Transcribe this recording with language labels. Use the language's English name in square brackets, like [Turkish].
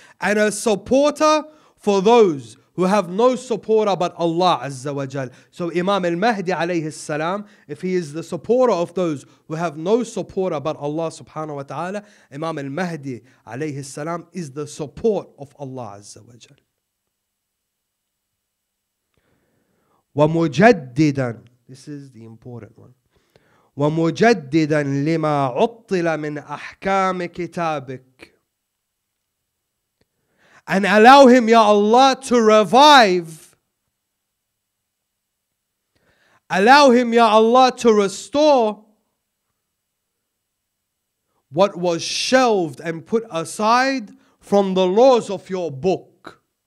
[English] And a supporter for those who have no supporter but Allah Azza wa Jal. So Imam al-Mahdi alayhi salam, if he is the supporter of those who have no supporter but Allah subhanahu wa ta'ala, Imam al-Mahdi alayhi salam is the support of Allah Azza wa Jal. [Arabic] وَمُجَدِّدًا, [English] this is the important one, [Arabic] وَمُجَدِّدًا لِمَا عُطِّلَ مِنْ أَحْكَامِ كِتَابِكَ. [English] And allow him, Ya Allah, to revive. Allow him, Ya Allah, to restore what was shelved and put aside from the laws of your book.